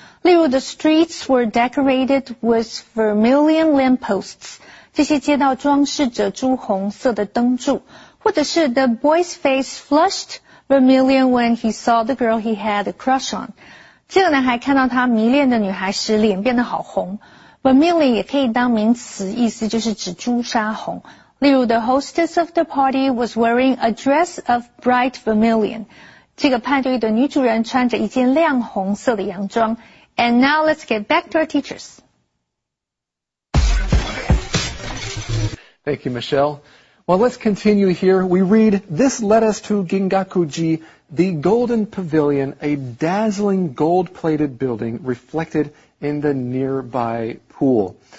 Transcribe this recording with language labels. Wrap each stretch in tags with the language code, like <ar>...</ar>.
<zh>例如</zh> <en>The streets were decorated with vermilion lampposts.</en> <zh>这些街道装饰着朱红色的灯柱。或者是</zh> <en>The boy's face flushed vermilion when he saw the girl he had a crush on.</en> <zh>这个男孩看到他迷恋的女孩时脸变得好红。 Vermilion 也可以当名词，意思就是指朱砂红。例如</zh> <en>,the hostess of the party was wearing a dress of bright vermilion.</en> <zh>这个派对的女主人穿着一件亮红色的洋装。</zh> <en>And now let's get back to our teachers. Thank you, Michelle. Well, let's continue here. We read, this led us to Gingaku-ji, the golden pavilion, a dazzling gold-plated building reflected in the nearby pool.</en>